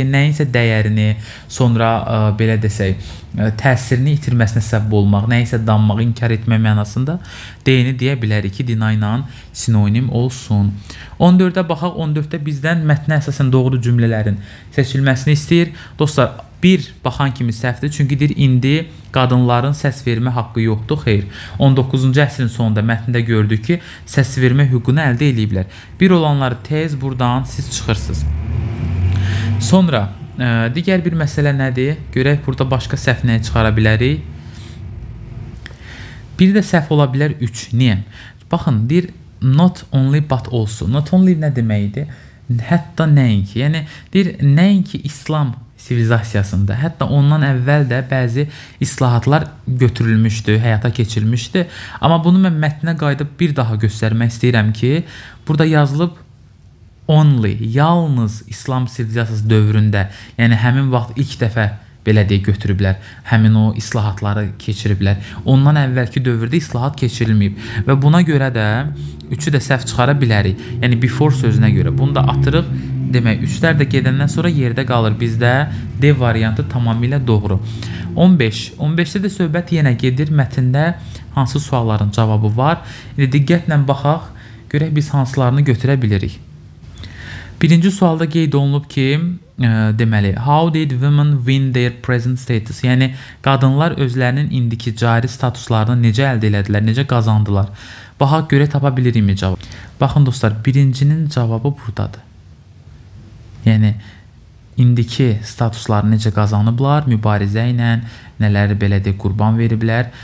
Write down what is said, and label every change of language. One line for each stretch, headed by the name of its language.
Azerbaijani: Yəni, nəyinsə dəyərini, sonra belə desək, təsirini itirməsinə səbəb olmaq, nəyinsə danmaq, inkar etmək mənasında D-ni deyə bilərik ki, deny ilə sinonim olsun. 14-də baxaq, 14-də bizdən mətnə əsasən doğru cümlələrin seçilməsini istəyir. Dostlar, bir baxan kimi səhvdir, çünki deyir, indi qadınların səs vermə haqqı yoxdur, xeyr. 19-cu əsrin sonunda mətnində gördük ki, səs vermə hüququnu əldə ediblər. Bir olanları tez buradan siz çıxırsınız. Sonra, digər bir məsələ nədir? Görək, burada başqa səhv nəyə çıxara bilərik? Bir də səhv ola bilər 3. Niyə? Baxın, deyir, not only but also. Not only nə deməkdir? Hətta nəinki. Yəni, deyir, nəinki İslam sivilizasiyasında. Hətta ondan əvvəl də bəzi islahatlar götürülmüşdü, həyata keçirilmişdi. Amma bunu mən mətnə qayıdıb bir daha göstərmək istəyirəm ki, burada yazılıb only, yalnız İslam sivilizasiyası dövründə, yəni həmin vaxt ilk dəfə belə deyə götürüblər, həmin o islahatları keçiriblər. Ondan əvvəlki dövrdə islahat keçirilməyib və buna görə də üçü də səhv çıxara bilərik. Yəni before sözünə görə bunu da atırıq. Demək, üçlər də gedəndən sonra yerdə qalır. Bizdə D variantı tamamilə doğru. 15. 15-də də söhbət yenə gedir. Mətində hansı sualların cavabı var? İndi diqqətlə baxaq, görək biz hansılarını götürə bilirik.
English: Birinci sualda qeyd olunub ki, deməli, how did women win their present status?
Azerbaijani: Yəni, qadınlar özlərinin indiki cari statuslarını necə əldə elədilər, necə qazandılar? Baxaq, görək tapa bilirikmi cavab? Baxın dostlar, birincinin cavabı buradadır. Yəni, indiki statusları necə qazanıblar, mübarizə ilə, nələri belə deyə qurban veriblər.